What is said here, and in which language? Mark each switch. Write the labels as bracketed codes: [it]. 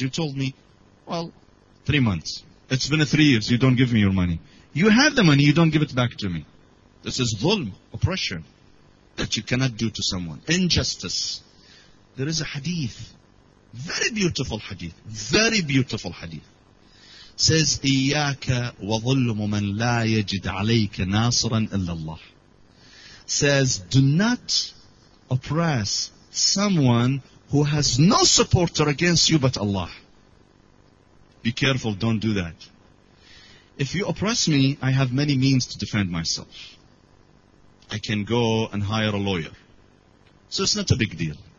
[en] You told me, well, 3 months. It's been 3 years. You don't give me your money. You have the money. You don't give it back to me. This is dhulm, oppression, that you cannot do to someone. Injustice. There is a hadith, very beautiful hadith, very beautiful hadith. [ar] Says, إِيَّاكَ وَظُلُّمُ مَنْ لَا يَجِدْ عَلَيْكَ نَاصِرًا إِلَّا اللَّهِ. [en] Says, do not oppress someone who has no supporter against you but Allah. Be careful, don't do that. If you oppress me, I have many means to defend myself. I can go and hire a lawyer. So it's not a big deal.